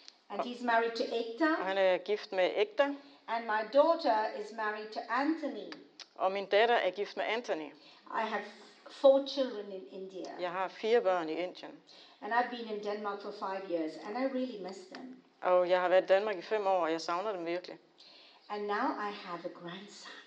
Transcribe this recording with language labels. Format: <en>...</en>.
<en>And he's married to Ekta.</en> <da>Og han er gift med Ekta.</da> <en>And my daughter is married to Anthony.</en> <da>Og min datter er gift med Anthony.</da> <en>I have 4 children in India.</en> <da>Jeg har 4 børn i Indien.</da> <en>And I've been in Denmark for 5 years and I really miss them.</en> <da>Og jeg har været i Danmark i 5 år, og jeg savner dem virkelig.</da> <en>And now I have a grandson.</en>